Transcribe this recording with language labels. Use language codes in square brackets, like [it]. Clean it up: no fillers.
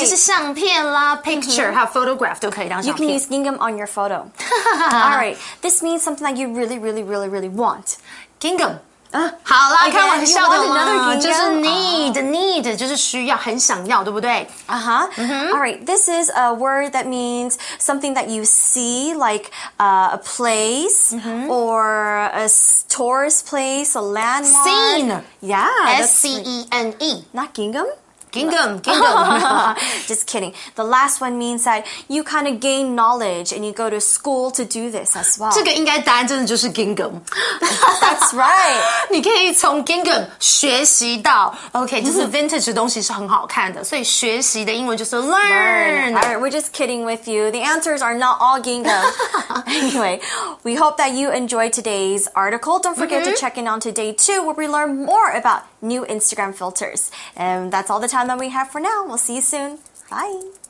[zh] 对不对就是相片啦 picture, 还有 photograph 都可以当相片。 [en] You can use gingham on your photo. All right. This means something that you really, really, really, really want. [zh] Gingham. 好啦 [en] okay, [zh] 开玩笑的吗就是 need 就是需要很想要对不对 [en] Alright, this is a word that means something that you see, like a place, or a tourist place, a landmark. Scene! Yeah. S-C-E-N-E. Not gingham? Gingham. Just kidding. The last one means that you kind of gain knowledge and you go to school to do this as well. [zh] 这个应该答案真的就是 gingham. [en] That's right. [zh] 你可以从 gingham 学习到 OK, 就是 vintage 的东西是很好看的所以学习的英文就是 learn. [en] All right, we're just kidding with you. The answers are not all gingham. Anyway, we hope that you enjoyed today's article. Don't forget to check in on to day 2 where we learn more about new Instagram filters. And that's all the time that we have for now. We'll see you soon. Bye.